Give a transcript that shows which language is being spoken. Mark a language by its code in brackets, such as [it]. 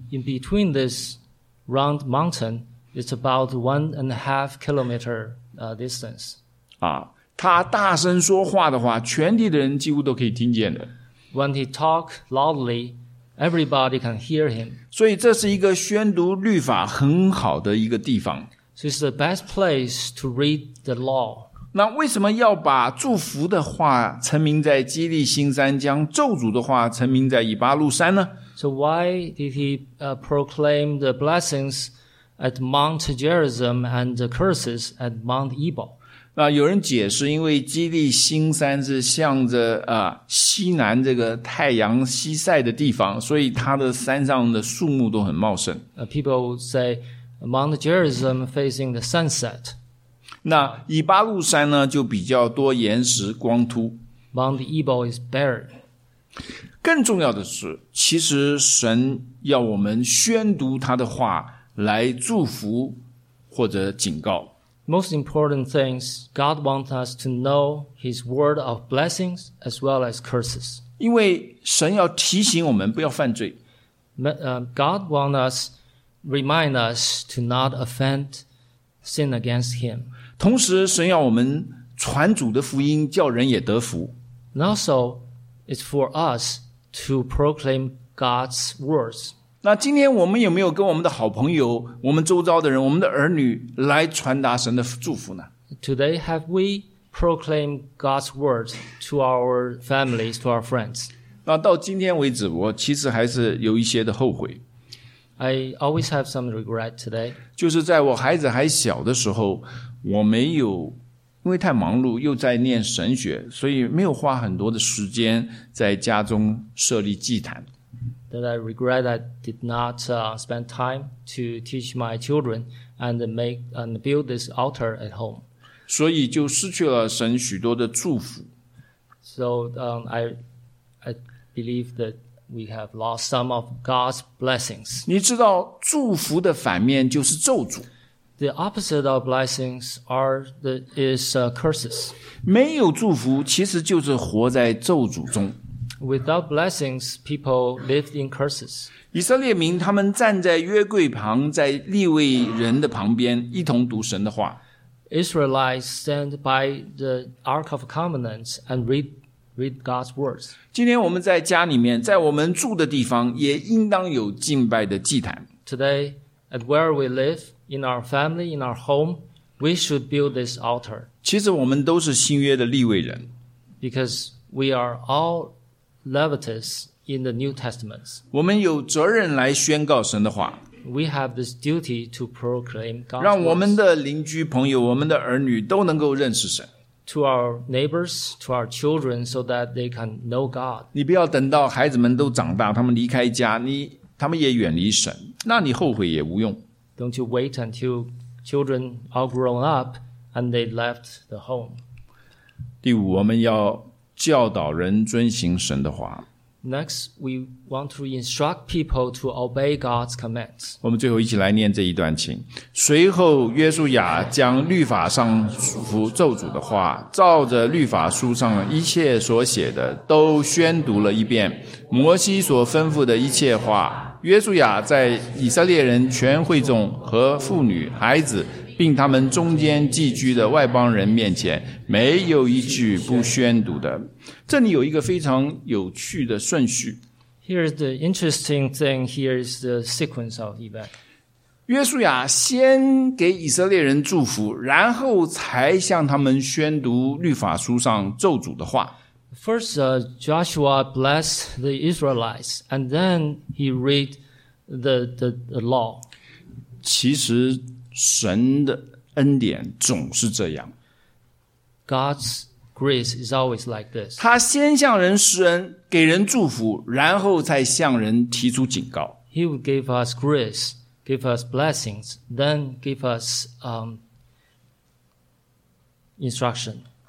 [en] In between this round mountain, it's about 1.5 kilometer. Distance. [zh] 啊，他大声说话的话，全地的人几乎都可以听见的。 [en] When he talk loudly, everybody can hear him. [zh] 所以这是一个宣读律法很好的一个地方。 [en] So it's the best place to read the law. [zh] 那为什么要把祝福的话沉铭在基利新山，将咒诅的话沉铭在以巴路山呢 [en] ？So why did he proclaim the blessings? At Mount Gerizim and the curses at Mount Ebal. [zh] 那有人解释，因为基利新山是向着西南这个太阳西晒的地方，所以它的山上的树木都很茂盛。 [en] People say Mount Gerizim facing the sunset. [zh] 那以巴路山呢，就比较多岩石光秃。 [en] Mount Ebal is barren. [zh] 更重要的是，其实神要我们宣读他的话。来祝福或者警告。 [en] Most important things, God wants us to know His word of blessings as well as curses. [zh] 因为神要提醒我们不要犯罪。 [en] God wants us, remind us to not offend sin against Him. [zh] 同时神要我们传主的福音叫人也得福。 [en] And also, it's for us to proclaim God's words. [zh] 那今天我们有没有跟我们的好朋友我们周遭的人我们的儿女来传达神的祝福呢 [en] Today have we proclaim God's word to our families, to our friends. [zh] 那到今天为止，我其实还是有一些的后悔。 [en] I always have some regret today. [zh] 就是在我孩子还小的时候，我没有，因为太忙碌，又在念神学，所以没有花很多的时间在家中设立祭坛。 [en] That I regret I did not spend time to teach my children and make and build this altar at home. [zh] 所以就失去了神许多的祝福。 [en] So I believe that we have lost some of God's blessings. [zh] 你知道祝福的反面就是咒诅。 [en] The opposite of blessings is curses. [zh] 没有祝福其实就是活在咒诅中。 [en] Without blessings, people lived in curses. [zh] 以色列民他们站在约柜旁，在利未人的旁边，一同读神的话。 [en] Israelites stand by the Ark of Covenants and read God's words. [zh] 今天我们在家里面，在我们住的地方，也应当有敬拜的祭坛。 [en] Today, at where we live, in our family, in our home, we should build this altar. [zh] 其实我们都是新约的利未人。 [en] Because we are all Levitus in the New Testament. [zh] 我们有责任来宣告神的话。 [en] We have this duty to proclaim God's word. [zh] 让我们的邻居朋友，我们的儿女都能够认识神。 [en] To our neighbors, to our children, so that they can know God. [zh] 你不要等到孩子们都长大，他们离开家，他们也远离神，那你后悔也无用。 [en] Don't you wait until children are grown up and they left the home. [zh] 第五，我们要教导人遵行神的话。 [en] Next, we want to instruct people to obey God's commands. [zh] 我们最后一起来念这一段经。随后，约书亚将律法上符咒诅的话，照着律法书上一切所写的，都宣读了一遍。摩西所吩咐的一切话，约书亚在以色列人全会众和妇女、孩子，并他们中间寄居的外邦人面前，没有一句不宣读的。这里有一个非常有趣的顺序。 [en] Here is the interesting thing. Here is the sequence of events. [zh] 约书亚先给以色列人祝福，然后才向他们宣读律法书上咒诅的话。 [en] First, Joshua blessed the Israelites, and then he read the law. [zh] 其实神的恩典总是这样。 [en] God's grace is always like this. [zh] 他先向人施恩，给人祝福，然后再向人提出警告。 [en] He would give us grace, give us blessings, then give us instruction.